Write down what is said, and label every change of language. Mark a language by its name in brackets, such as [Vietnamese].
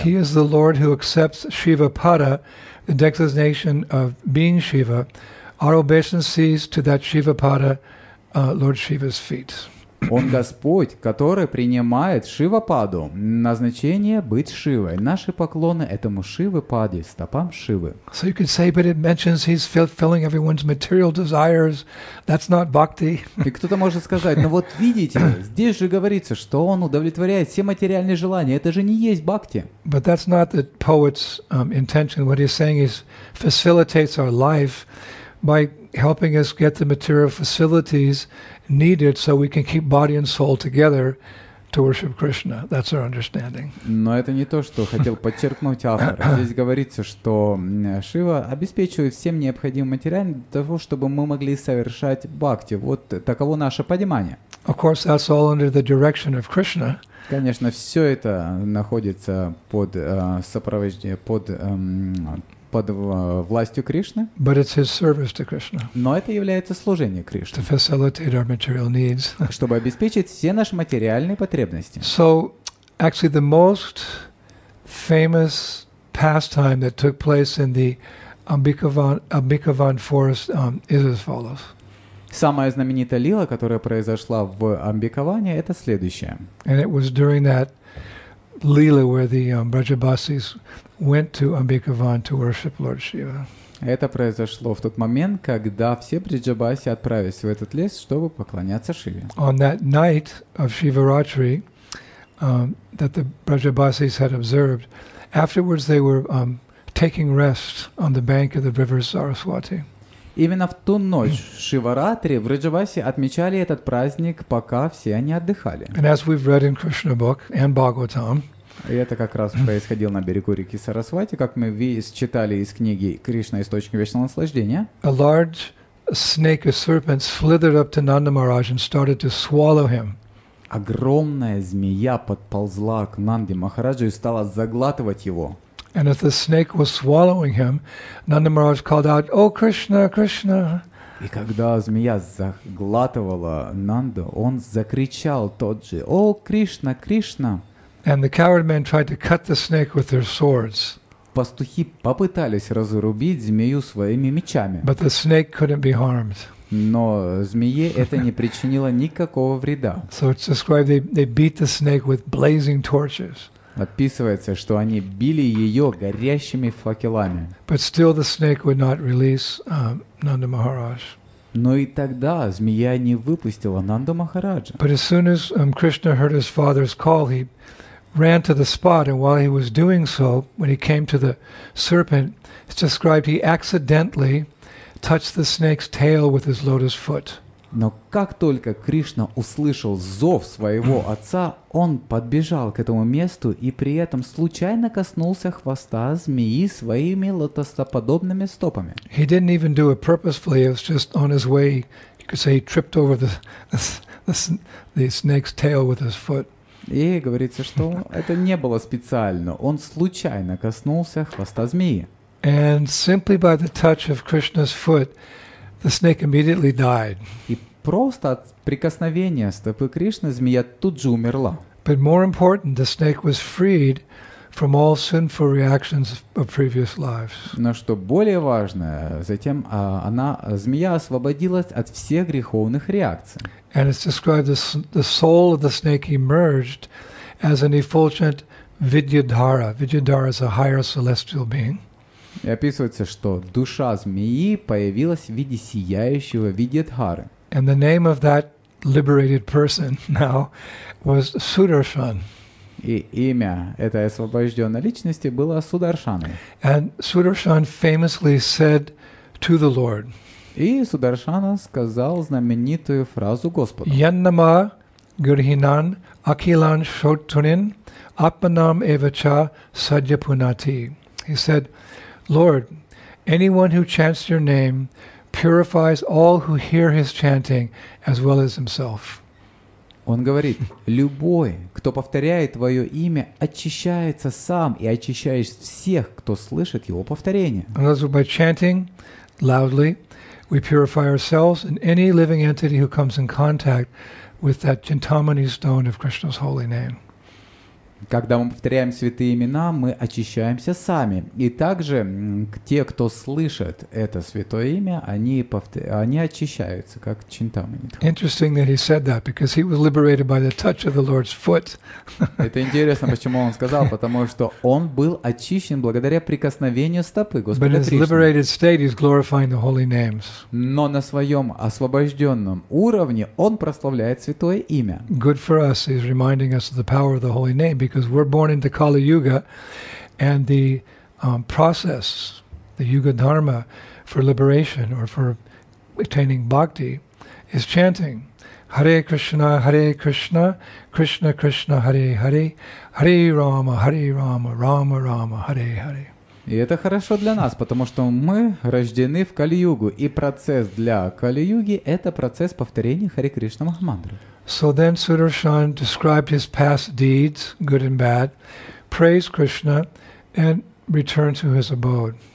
[English] He is the Lord who accepts Shiva Pada, the designation of being Shiva, our obeisances to that Shiva Pada, Lord Shiva's feet. [Russian] Он Господь, который принимает Шивападу, назначение быть Шивой. Наши поклоны этому Шивападе, стопам Шивы. [English] So you could say, but it mentions he's fulfilling everyone's material desires. That's not bhakti. [Russian] И кто-то может сказать, ну вот видите, здесь же говорится, что он удовлетворяет все материальные желания. Это же не есть бхакти. [English] But that's not the poet's intention. What he's saying is facilitates our life by helping us get the material facilities needed so we can keep body and soul together to worship Krishna. That's our understanding. [Russian] Но это не то, что хотел подчеркнуть автор. Здесь говорится, что Шива обеспечивает всем необходимым материалом для того, чтобы мы могли совершать бхакти. Вот таково наше понимание. [English] Of course, that's all under the direction of Krishna. [Russian] Конечно, все это находится под сопровождением, под под властью Кришны. [English] But it's his service to Krishna. [Russian] Но это является служение Кришне. [English] To facilitate our material needs. [Russian] Чтобы обеспечить все наши материальные потребности. [English] So, actually, the most famous pastime that took place in the Ambikavan forest is as follows. [Russian] Самая знаменитая лила, которая произошла в Амбикаване, это следующее. [English] And it was during that lila where the Brajabasis went to Ambikavan to worship Lord Shiva. [Russian] Это произошло в тот момент, когда все Бриджабаси отправились в этот лес, чтобы поклоняться Шиве. [English] On that night of Shivaratri, that the Brajabasis had observed, afterwards they were taking rest on the bank of the river Saraswati. [Russian] Именно в ту ночь Шиваратри в Раджабасе отмечали этот праздник, пока все они отдыхали. [English] And as we've read in Krishna book and Bhagavatam, [Russian] и это как раз происходило на берегу реки Сарасвати, как мы читали из книги «Кришна. Источник вечного наслаждения». [English] A large snake, a serpent, slithered up to Nanda Maharaj and started to swallow him. [Russian] Огромная змея подползла к Нанде Махараджу и стала заглатывать его. [English] And as the snake was swallowing him, Nanda Maharaj called out, "O Krishna, Krishna!" [Russian] И когда змея заглатывала Нанду, он закричал тот же, "О, Кришна, Кришна!" [English] And the coward men tried to cut the snake with their swords. [Russian] Пастухи попытались разрубить змею своими мечами. [English] But the snake couldn't be harmed. [Russian] Но змее это не причинило никакого вреда. [English] So it's described they beat the snake with blazing torches. [Russian] Описывается, что они били ее горящими факелами. [English] But still the snake would not release Nanda Maharaj. [Russian] Но и тогда змея не выпустила Нанду Махараджа. [English] But as soon as Krishna heard his father's call, he ran to the spot, and while he was doing so, when he came to the serpent, it's described he accidentally touched the snake's tail with his lotus foot. [Russian] Но как только Кришна услышал зов своего отца, он подбежал к этому месту и при этом случайно коснулся хвоста змеи своими лотосоподобными стопами. [English] He didn't even do it purposefully. It was just on his way. You could say he tripped over the snake's tail with his foot. [Russian] И говорится, что это не было специально. Он случайно коснулся хвоста змеи. [English] And simply by the touch of Krishna's foot, the snake immediately died. [Russian] И просто от прикосновения стопы Кришны змея тут же умерла. [English] But more important, the snake was freed from all sinful reactions of previous lives. [Russian] Но что более важно, затем она змея освободилась от всех греховных реакций. [English] And it's described as the soul of the snake emerged as an effulgent Vidyadhara. Vidyadhara is a higher celestial being. [Russian] И описывается, что душа змеи появилась в виде сияющего Видьядхары. [English] And the name of that liberated person now was Sudarshan. [Russian] И имя этой освобожденной личности было Сударшаной. [English] And Sudarshan famously said to the Lord. [Russian] И Сударшана сказал знаменитую фразу Господу. [Sanskrit] Яннама гирхинан акилан шотунин апманам эвача саджапунати. [English] He said, Lord, anyone who chants your name purifies all who hear his chanting as well as himself. [Russian] Он говорит, любой, кто повторяет твое имя, очищается сам и очищаешь всех, кто слышит его повторение. [English] By chanting loudly, we purify ourselves and any living entity who comes in contact with that Chintamani stone of Krishna's holy name. [Russian] Когда мы повторяем святые имена, мы очищаемся сами. И также те, кто слышит это святое имя, они очищаются, как Чинтамани. [English] Interesting that he said that, because he was liberated by the touch of the Lord's foot. [Russian] Это интересно, почему он сказал, потому что он был очищен благодаря прикосновению стопы Господа Кришны. [English] But in his liberated state, he's glorifying the holy names. [Russian] Но на своем освобожденном уровне он прославляет святое имя. [English] Good for us, he's reminding us of the power of the holy name. Because we're born into Kali Yuga, and the process, the Yuga Dharma, for liberation or for attaining bhakti, is chanting, [Sanskrit] Hare Krishna, Krishna Krishna, Hare Hare, Hare Rama, Rama Rama, Hare Hare. [Russian] И это хорошо для нас, потому что мы рождены в Кали Югу, и процесс для Кали Юги — это процесс повторения Харе Кришна Махамантры. [English] So then Sudarshan described his past deeds, good and bad, praised Krishna, and returned to his abode.